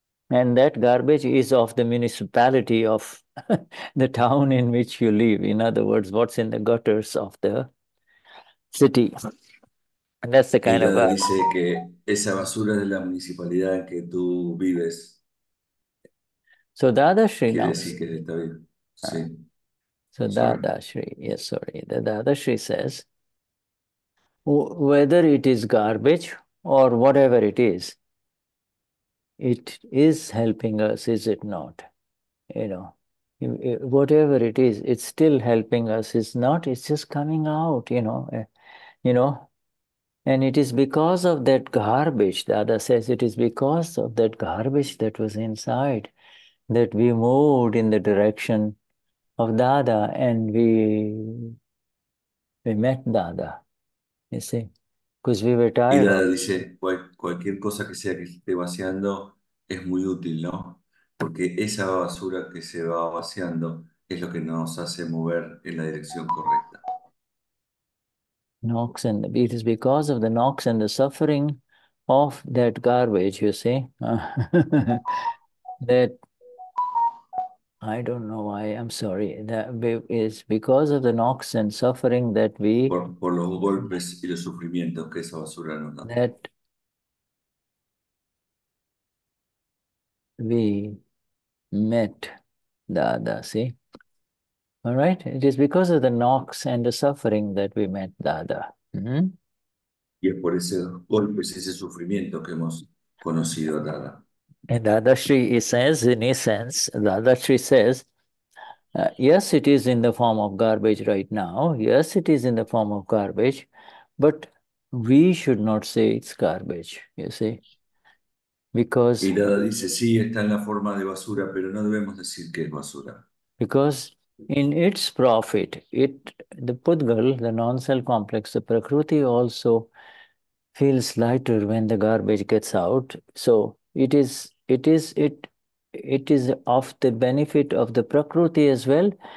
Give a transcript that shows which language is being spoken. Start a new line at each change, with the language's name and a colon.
English: And that garbage is of the municipality of the town in which you live. In other words, what's in the gutters of the city. And that's the kind of...
Spanish: dice que esa basura de la municipalidad que tú vives.
English: So Dadashri...
Spanish: Quiere decir que está bien. Sí.
English: So Dadashri, yes, sorry. The Dadashri says, whether it is garbage or whatever it is, it is helping us, is it not? You know, whatever it is, it's still helping us. It's not, it's just coming out, you know. And it is because of that garbage, Dada says, it is because of that garbage that was inside that we moved in the direction of Dada and we met Dada, you see. Because we were tired.
Spanish: Y Dada dice, cualquier cosa que sea que esté vaciando es muy útil, ¿no? Porque esa basura que se va vaciando es lo que nos hace mover en la dirección correcta.
English: Knocks and the, it is because of the knocks and the suffering of that garbage, you see. That, I don't know why, I'm sorry. That is because of the knocks and suffering that we...
Spanish: Por los golpes y los sufrimientos que esa basura nos da.
English: That we met Dada, see? All right? It is because of the knocks and the suffering that we met Dada.
Spanish: Y es por ese golpe, ese sufrimiento que hemos conocido a Dada.
English: And Dadashri says, in a sense, Dadashri says, yes, it is in the form of garbage right now. Yes, it is in the form of garbage. But we should not say it's garbage, you see. Because...
Spanish: Y Dada dice, sí, está en la forma de basura, pero no debemos decir que es basura.
English: Because in its profit, it, the Pudgal, the non-self complex, the Prakruti also feels lighter when the garbage gets out. So it is of the benefit of the Prakruti as well.